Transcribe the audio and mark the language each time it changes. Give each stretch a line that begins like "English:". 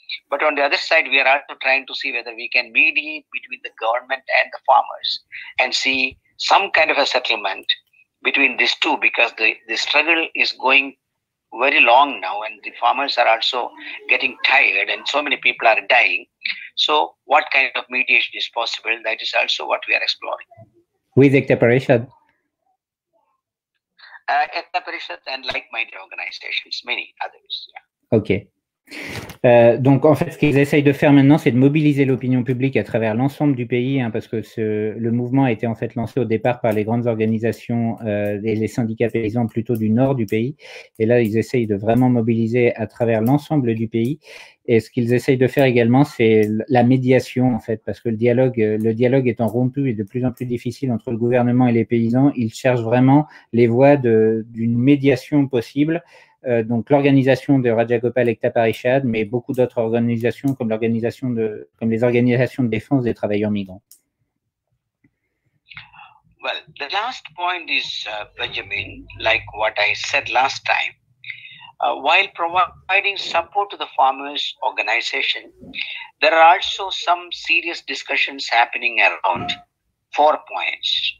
English: But on the other side, we are also trying to see whether we can mediate between the government and the farmers and see some kind of a settlement between these two, because the struggle is going very long now, and the farmers are also getting tired, and so many people are dying. So what kind of mediation is possible? That is also what we are exploring. With Ekta Parishad? Ekta Parishad and like-minded organizations, many others. Yeah. Okay.
French: Donc, en fait, ce qu'ils essayent de faire maintenant, c'est de mobiliser l'opinion publique à travers l'ensemble du pays, hein, parce que le mouvement a été en fait lancé au départ par les grandes organisations et les syndicats paysans plutôt du nord du pays. Et là, ils essayent de vraiment mobiliser à travers l'ensemble du pays. Et ce qu'ils essayent de faire également, c'est la médiation, en fait, parce que le dialogue étant rompu et de plus en plus difficile entre le gouvernement et les paysans, ils cherchent vraiment les voies d'une médiation possible. Donc l'organisation de Rajagopal Ekta Parishad, mais beaucoup d'autres organisations comme les organisations de défense des travailleurs migrants.
English: Well, the last point is Benjamin, like what I said last time. While providing support to the farmers' organization, there are also some serious discussions happening around four points.